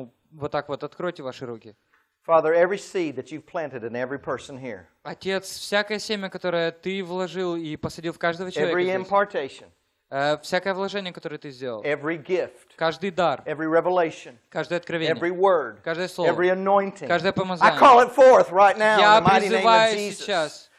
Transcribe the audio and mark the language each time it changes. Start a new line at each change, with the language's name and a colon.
Russian: Вот так вот, откройте ваши руки.
English: Father, every seed that you've planted in every person here.
Russian: Отец, всякое семя, которое ты вложил и посадил в каждого человека.
English: Every impartation.
Russian: Всякое вложение, которое ты сделал.
English: Every gift.
Russian: Каждый дар.
English: Every revelation.
Russian: Каждое откровение.
English: Every word.
Russian: Каждое слово.
English: Every anointing.
Russian: Каждое помазание.
English: I call it forth right now in the mighty name of Jesus.